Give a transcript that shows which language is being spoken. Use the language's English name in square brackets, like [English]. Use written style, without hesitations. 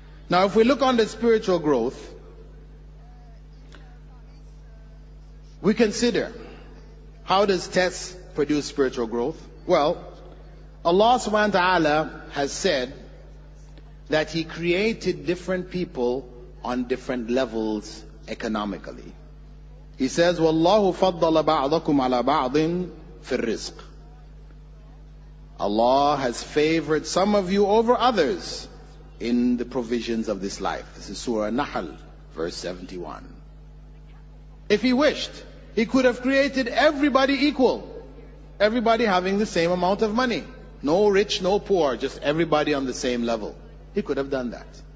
[English] Now, if we look on the spiritual growth, we consider, how does tests produce spiritual growth? Well, Allah subhanahu wa ta'ala has said that He created different people on different levels economically. He says, [Arabic] وَاللَّهُ فَضَّلَ بَعْضَكُمْ عَلَى بَعْضٍ فِي الرِّزْقِ. [English] Allah has favored some of you over others in the provisions of this life. This is Surah Nahl, verse 71. If He wished, He could have created everybody equal. Everybody having the same amount of money. No rich, no poor, just everybody on the same level. He could have done that.